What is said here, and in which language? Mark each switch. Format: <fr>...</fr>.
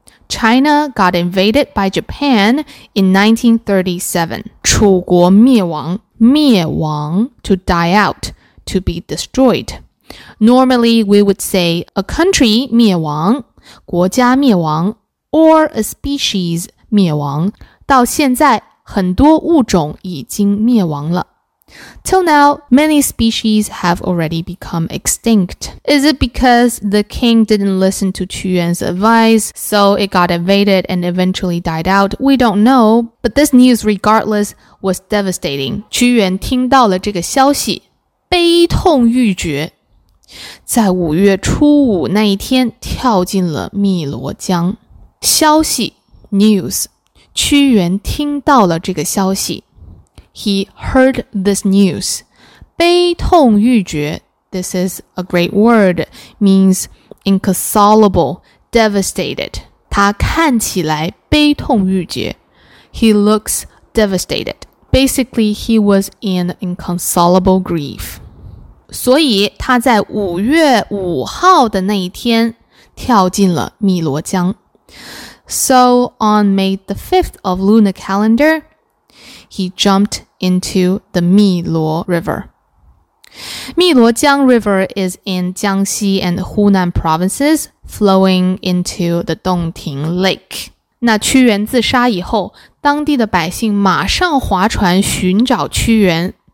<en>China got invaded by Japan in 1937.</en> <zh>楚国灭亡,</zh> <en>灭亡, to die out, to be destroyed. Normally, we would say a country 灭亡, 国家灭亡, or a species 灭亡。</en> <zh>到现在,很多物种已经灭亡了。</zh> <en>Till now, many species have already become extinct. Is it because the king didn't listen to Qu Yuan's advice, so it got invaded and eventually died out? We don't know, but this news regardless was devastating.</en> <zh>Qu Yuan 听到了这个消息，悲痛欲绝，在五月初五那一天跳进了汨罗江。消息 news， 屈原听到了这个消息。</zh> <en>He heard this news. 悲痛欲绝, this is a great word, means inconsolable, devastated.</en> <zh>他看起来悲痛欲绝。</zh> <en>He looks devastated. Basically, he was in inconsolable grief.</en> <zh>所以他在五月五号的那一天跳进了汨罗江。</zh> <en>So, on May the 5th of lunar calendar, he jumped into the Mi Luo River. Mi Luo Jiang River is in Jiangxi and Hunan provinces, flowing into the Dongting Lake.</en> <zh>那屈原自杀以后，当地的百姓马上划船寻找屈原。</zh>